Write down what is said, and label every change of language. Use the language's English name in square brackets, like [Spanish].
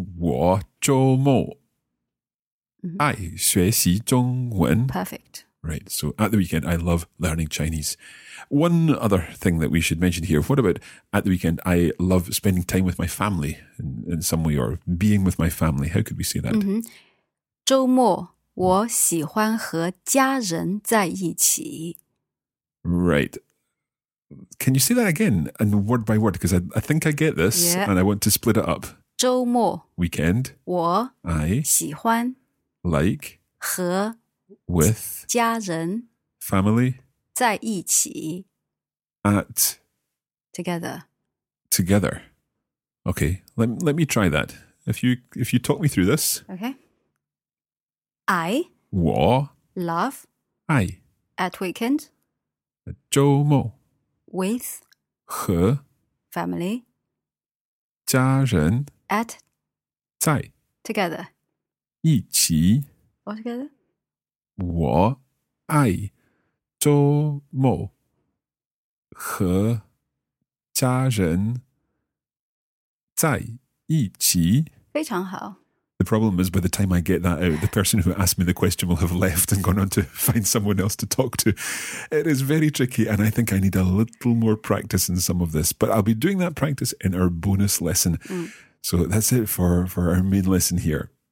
[Chinese] 我周末爱学习中文. [English] Perfect. Right, so at the weekend, I love learning Chinese. One other thing that we should mention here, what about at the weekend, I love spending time with my family in some way or being with my family. How could we say that? Mm-hmm. [Chinese] 周末我喜欢和家人在一起。 [English] Right. Can you say that again and word by word? Because I think I get this and I want to split it up. [Chinese] 周末 [English] Weekend [Chinese] 我 [English] I [Chinese] 喜欢 [English] Like [Chinese] 和 [English] With [Chinese] 家人 [English] Family [Chinese] 在一起 [English] At Together Together. Okay, let me try that. If you talk me through this. Okay. I [Chinese] 我 [English] love I at weekend [Chinese] 周末 [English] with [Chinese] 和 [English] family [Chinese] 家人 [English] at [Chinese] 在 [English] together [Chinese] 一起 [English] all together [Chinese] 我爱周末和家人在一起非常好。 [English] The problem is by the time I get that out, the person who asked me the question will have left and gone on to find someone else to talk to. It is very tricky and I think I need a little more practice in some of this. But I'll be doing that practice in our bonus lesson. Mm. So that's it for our main lesson here.